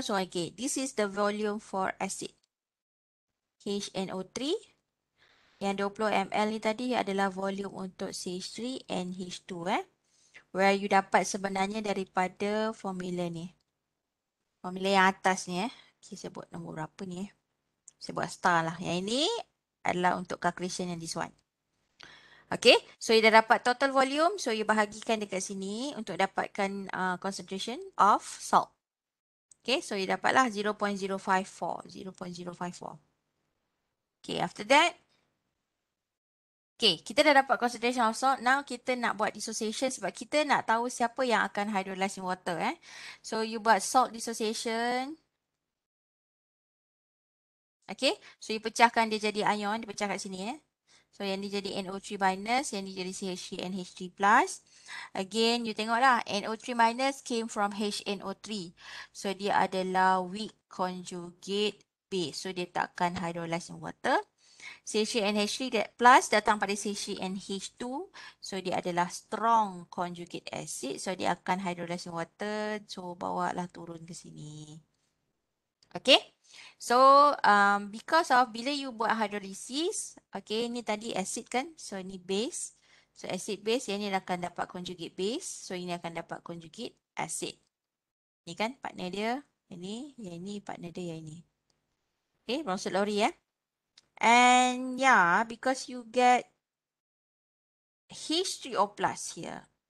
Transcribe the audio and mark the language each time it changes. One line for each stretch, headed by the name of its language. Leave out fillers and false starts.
English: So okay, this is the volume for acid. HNO3.
Malay: Yang 20 ml ni tadi adalah volume untuk CH3 and H2 eh.
English: Where you
Malay: dapat sebenarnya daripada formula ni. Formula yang atas ni eh. Okay, saya buat nombor berapa ni eh. Saya buat star lah. Yang ini adalah untuk calculation yang
English: this one. Okay, so you
Malay: dah dapat
English: total volume. So you
Malay: bahagikan dekat sini untuk dapatkan
English: concentration of salt. Okay, so you
Malay: dapatlah
English: 0.054. 0.054. Okay, after that.
Malay: Okay, kita dah dapat
English: concentration of salt.
Malay: Now kita nak buat dissociation sebab kita nak tahu siapa yang akan
English: hydrolyze in water.
Malay: Eh.
English: So you
Malay: buat
English: salt dissociation. Okay, so you
Malay: pecahkan dia jadi ion, dia pecah kat sini eh. So yang ni jadi NO3 minus, yang ni jadi CH3 and H3 plus.
English: Again, you
Malay: tengoklah
English: NO3 minus came from HNO3. So
Malay: dia adalah
English: weak conjugate base. So
Malay: dia takkan
English: hydrolyze in water. CH3 and H3 plus
Malay: datang pada
English: CH3 and H2. So dia adalah strong conjugate acid.
Malay: So dia akan
English: hydrolyze in water.
Malay: So bawalah turun ke sini. Okay.
English: So, because of
Malay: bila
English: you buat hydrolysis, okay,
Malay: ni tadi
English: acid kan? So, ni base. So, acid base,
Malay: yang ni akan dapat
English: conjugate base. So,
Malay: ini akan dapat
English: conjugate acid.
Malay: Ni kan partner dia, ini, yang ini, partner dia, yang ini.
English: Okay, bronsted lori eh. And, yeah, because you get H3O plus here.